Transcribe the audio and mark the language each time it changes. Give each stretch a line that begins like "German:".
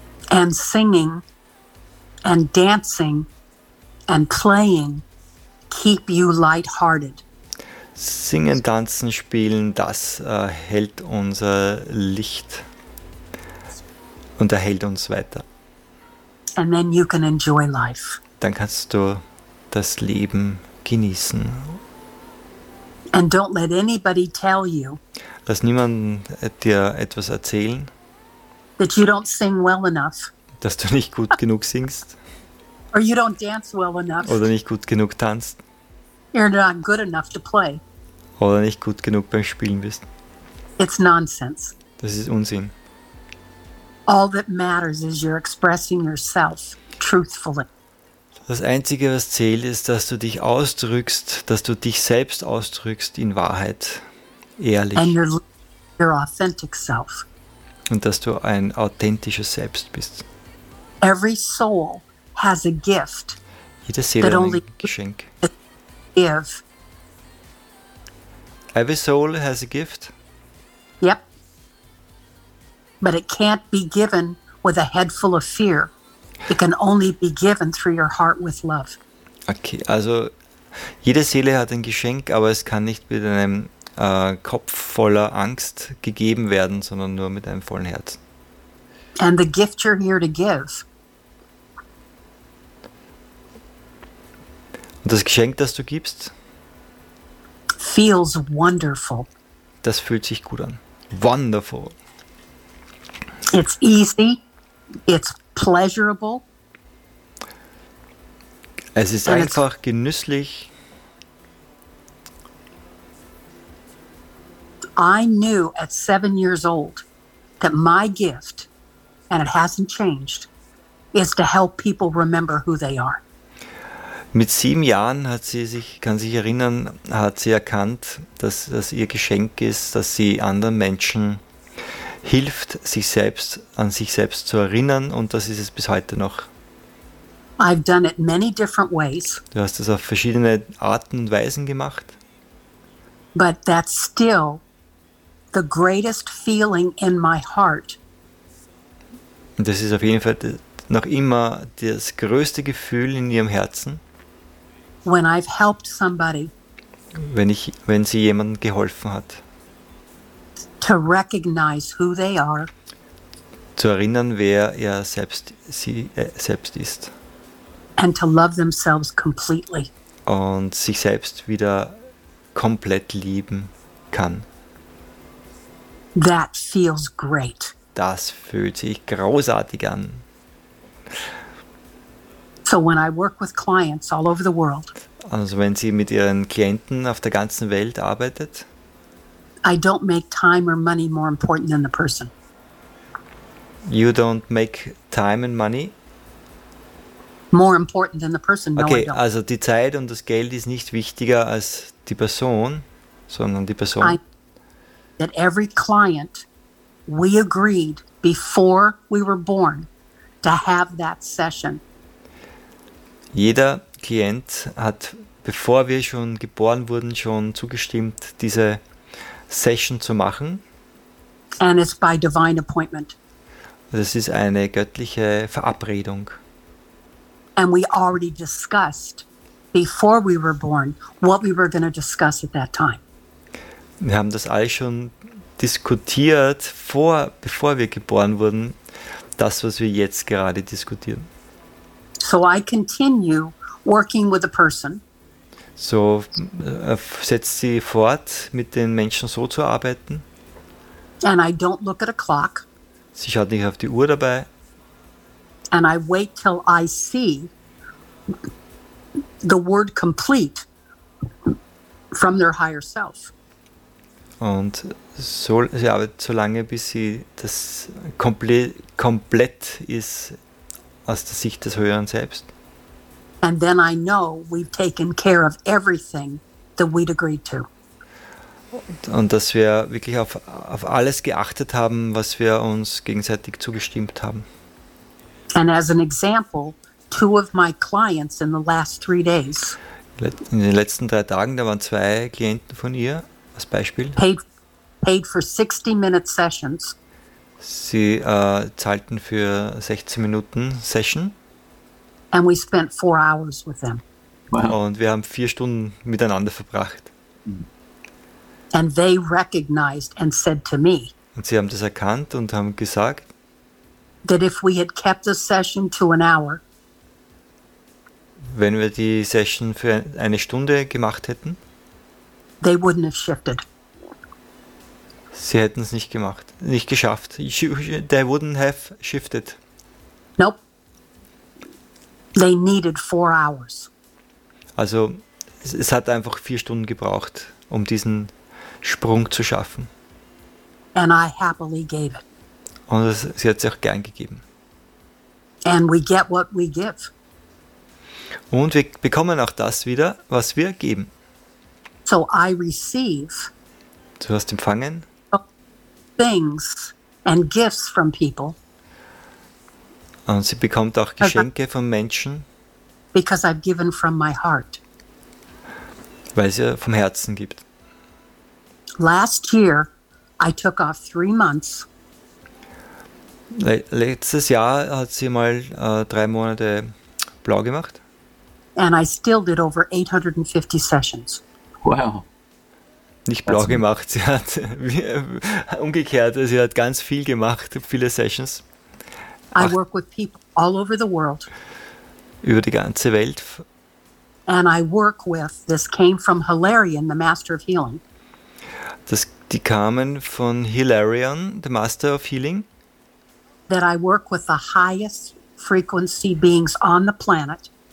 English: And singing and dancing and playing keep you lighthearted.
German: Singen, tanzen, spielen, das hält unser Licht. Und erhält uns weiter.
English: And then you can enjoy life.
German: Dann kannst du das Leben genießen.
English: And don't let anybody tell you.
German: Lass niemand dir etwas erzählen.
English: That you don't sing well enough.
German: Dass du nicht gut genug singst.
English: Or you don't dance well enough.
German: Oder nicht gut genug tanzt.
English: You're not good enough to play.
German: Oder nicht gut genug beim Spielen bist.
English: It's nonsense.
German: Das ist Unsinn.
English: All that matters is you're expressing yourself truthfully.
German: Das Einzige, was zählt, ist, dass du dich ausdrückst, dass du dich selbst ausdrückst in Wahrheit, ehrlich.
English: And your authentic self.
German: Und dass du ein authentisches Selbst bist.
English: Every soul has a gift.
German: Jede Seele hat ein Geschenk.
English: Every soul has a gift. Yep. But it can't be given with a head full of fear. It can only be given through your heart with love.
German: Okay, also Jede Seele hat ein Geschenk, aber es kann nicht mit einem Kopf voller Angst gegeben werden, sondern nur mit einem vollen Herzen.
English: And the gift you're here to give.
German: Und das Geschenk, das du gibst,
English: feels wonderful.
German: Das fühlt sich gut an.
English: Wonderful. It's easy. It's pleasurable.
German: Es ist einfach genüsslich.
English: I knew at 7 years old that my gift, and it hasn't changed, is to help people remember who they are.
German: Mit 7 Jahren hat sie sich, kann sich erinnern, hat sie erkannt, dass das ihr Geschenk ist, dass sie anderen Menschen hilft, sich selbst an sich selbst zu erinnern, und das ist es bis heute noch.
English: I've done it many different ways.
German: Du hast es auf verschiedene Arten und Weisen gemacht.
English: But that's still the greatest feeling in my heart.
German: Und das ist auf jeden Fall noch immer das größte Gefühl in ihrem Herzen.
English: When I've helped somebody,
German: wenn sie jemandem geholfen hat,
English: to recognize who they are,
German: zu erinnern, wer er selbst, sie selbst ist,
English: and to love themselves completely,
German: und sich selbst wieder komplett lieben kann.
English: That feels great.
German: Das fühlt sich großartig an.
English: So when I work with clients all over the world,
German: also wenn sie mit ihren Klienten auf der ganzen Welt arbeitet,
English: I don't make time or money more important than the person. You don't make time and money more important than the person. Okay, no, I don't.
German: Also die Zeit und das Geld ist nicht wichtiger als die Person, sondern die Person.
English: I, that every client we agreed before we were born to have that session.
German: Jeder Klient hat, bevor wir schon geboren wurden, schon zugestimmt, diese Session zu machen.
English: And it's by divine appointment.
German: Das ist eine göttliche Verabredung.
English: And we already discussed before we were born what we were going to discuss at that time.
German: Wir haben das alles schon diskutiert, bevor wir geboren wurden, das, was wir jetzt gerade diskutieren.
English: So I continue working with the person.
German: So setzt sie fort, mit den Menschen so zu arbeiten.
English: And I don't look at a clock.
German: Sie schaut nicht auf die Uhr dabei.
English: And I wait till I see the word complete from their higher self.
German: Und so, sie arbeitet so lange, bis sie das komplett ist, aus der Sicht des Höheren Selbst.
English: And then I know we've taken care of everything that we'd agreed to.
German: Und dass wir wirklich auf alles geachtet haben, was wir uns gegenseitig zugestimmt haben.
English: And as an example, two of my clients in the last 3 days.
German: In den letzten 3 Tagen, da waren 2 Klienten von ihr, als Beispiel.
English: Paid for 60-minute sessions.
German: Sie zahlten für 16 Minuten Session.
English: And we spent 4 hours with them. Wow.
German: Und wir haben 4 Stunden miteinander verbracht.
English: And they recognized and said to me,
German: und sie haben das erkannt und haben gesagt,
English: that if we had kept the session to an hour,
German: wenn wir die Session für eine Stunde gemacht hätten,
English: they wouldn't have shifted.
German: Sie hätten es nicht gemacht, nicht geschafft.
English: They wouldn't have shifted. Nope. They needed 4 hours.
German: Also, es hat einfach 4 Stunden gebraucht, um diesen Sprung zu schaffen.
English: And I happily gave it.
German: Und sie hat es auch gern gegeben.
English: And we get what we give.
German: Und wir bekommen auch das wieder, was wir geben.
English: So I receive.
German: Du hast empfangen.
English: Things and gifts from people.
German: Und sie bekommt auch Geschenke von Menschen.
English: Because I've given from my heart.
German: Weil sie vom Herzen gibt.
English: Last year, I took off 3 months.
German: Letztes Jahr hat sie mal 3 Monate blau gemacht.
English: and I still did over 850 sessions. Wow.
German: Nicht blau gemacht, sie hat umgekehrt, sie hat ganz viel gemacht, viele Sessions.
English: I work with people all over the world.
German: Über die ganze Welt.
English: And I work with, this came from Hilarion, the Master of Healing.
German: Die kamen von Hilarion, the Master of Healing.
English: That I work with the highest frequency beings on the planet.